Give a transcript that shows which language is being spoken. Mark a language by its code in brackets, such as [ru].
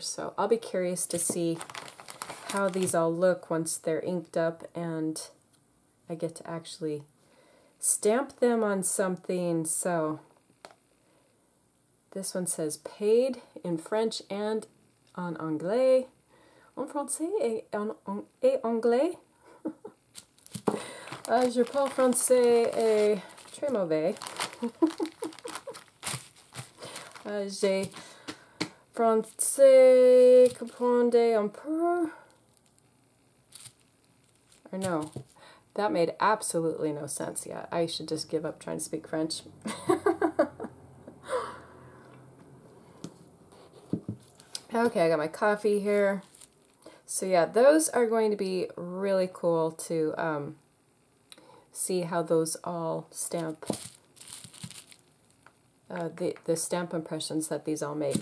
[en] So I'll be curious to see how these all look once they're inked up and I get to actually stamp them on something. So this one says paid in French and [fr] en anglais. En français et anglais. Je parle français et très mauvais. J'ai Français comprendre un peu. [en] Or no, that made absolutely no sense. Yeah, I should just give up trying to speak French. Okay, I got my coffee here. So yeah, those are going to be really cool to see how those all stamp, the stamp impressions that these all make.